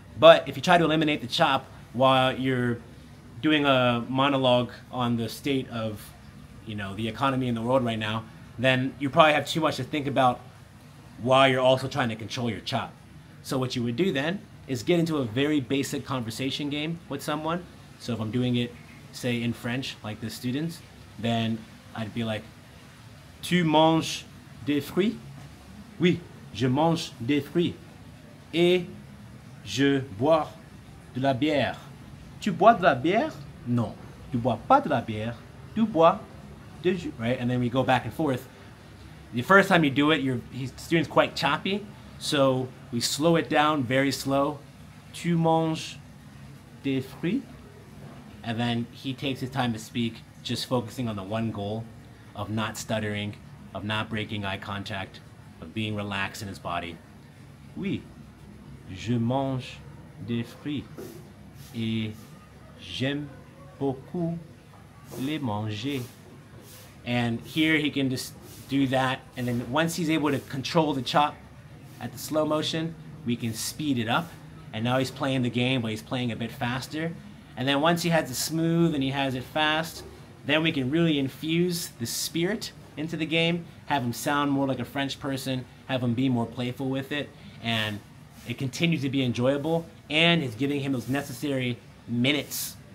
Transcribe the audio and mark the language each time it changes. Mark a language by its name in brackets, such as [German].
[English] But if you try to eliminate the chop while you're doing a monologue on the state of, you know, the economy in the world right now, then you probably have too much to think about while you're also trying to control your chop. So what you would do then is get into a very basic conversation game with someone. So if I'm doing it, say in French, like the students, then I'd be like, [French] tu manges des fruits? Oui. Je mange des fruits et je bois de la bière. Tu bois de la bière? Non, tu bois pas de la bière. Tu bois de jus, [English] right? And then we go back and forth. The first time you do it, the student's quite choppy, so we slow it down very slow. [French] Tu manges des fruits? [English] And then he takes his time to speak, just focusing on the one goal of not stuttering, of not breaking eye contact, of being relaxed in his body. [French] Oui, je mange des fruits et j'aime beaucoup les manger. [English] And here he can just do that, and then once he's able to control the chop at the slow motion, we can speed it up, and now he's playing the game, but he's playing a bit faster. And then once he has it smooth and he has it fast, then we can really infuse the spirit into the game, have him sound more like a French person, have him be more playful with it, and it continues to be enjoyable, and it's giving him those necessary minutes